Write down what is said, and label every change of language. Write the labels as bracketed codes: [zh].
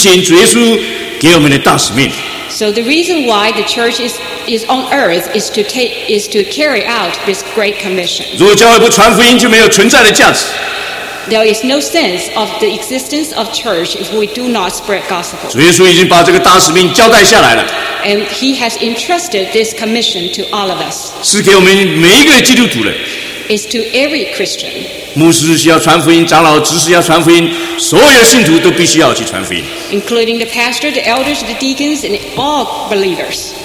[zh] 所以教会存在的目的就是要来执行主耶稣给我们的大使命。 [en] So the reason why the church is on earth is to carry out this great commission. [zh] 如果教会不传福音，就没有存在的价值。 [en] There is no sense of the existence of church if we do not spread gospel. [zh] 主耶稣已经把这个大使命交代下来了。 [en] And he has entrusted this commission to all of us. [zh] 是给我们每一个基督徒的。 [en] It's to every Christian. [zh] 牧师需要传福音，长老、执事要传福音，所有信徒都必须要去传福音。 [en] Including the pastor, the elders, the deacons, and all believers.